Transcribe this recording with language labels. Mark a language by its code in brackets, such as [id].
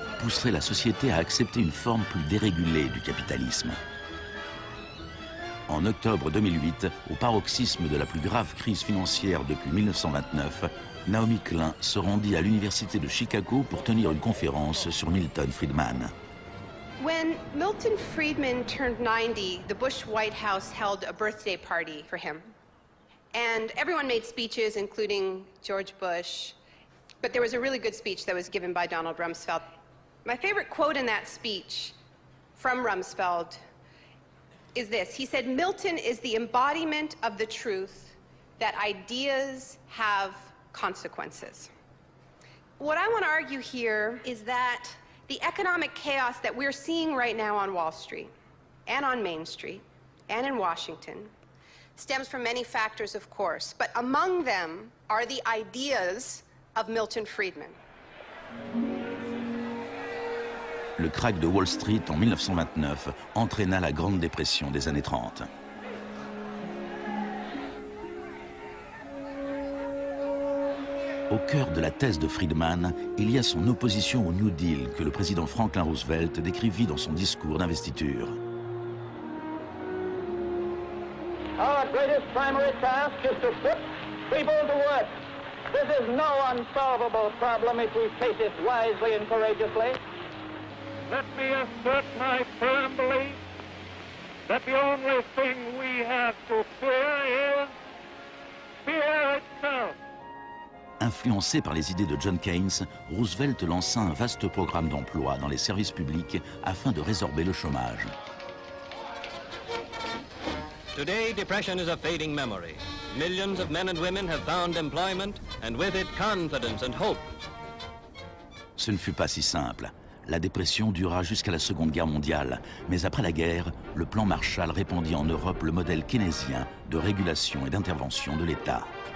[fr] pousserait la société à accepter une forme plus dérégulée du capitalisme. En octobre 2008, au paroxysme de la plus grave crise financière depuis 1929, Naomi Klein se rendit à l'université de Chicago pour tenir une conférence sur Milton Friedman. [en] When Milton Friedman turned 90, the Bush White House held a birthday party for him. And everyone made speeches, including George Bush. But there was a really good speech that was given by Donald Rumsfeld. My favorite quote in that speech from Rumsfeld is this. He said, Milton is the embodiment of the truth that ideas have consequences. What I want to argue here is that the economic chaos that we're seeing right now on Wall Street and on Main Street and in Washington stems from many factors, of course, but among them are the ideas of Milton Friedman. [fr] Le krach de Wall Street en 1929 entraîna la Grande Dépression des années 30. Au cœur de la thèse de Friedman, il y a son opposition au New Deal que le président Franklin Roosevelt décrivit dans son discours d'investiture. [en] Our greatest primary task is to put people to work. This is no unsolvable problem if we face it wisely and courageously. Let me assert my firm belief that the only thing we have to fear is fear itself. [fr] Influencé par les idées de John Keynes, Roosevelt lança un vaste programme d'emploi dans les services publics afin de résorber le chômage. [en] Today, depression is a fading memory. Millions of men and women have found employment, and with it, confidence and hope. [fr] Ce ne fut pas si simple. La dépression dura jusqu'à la Seconde Guerre mondiale. Mais après la guerre, le plan Marshall répandit en Europe le modèle keynésien de régulation et d'intervention de l'État.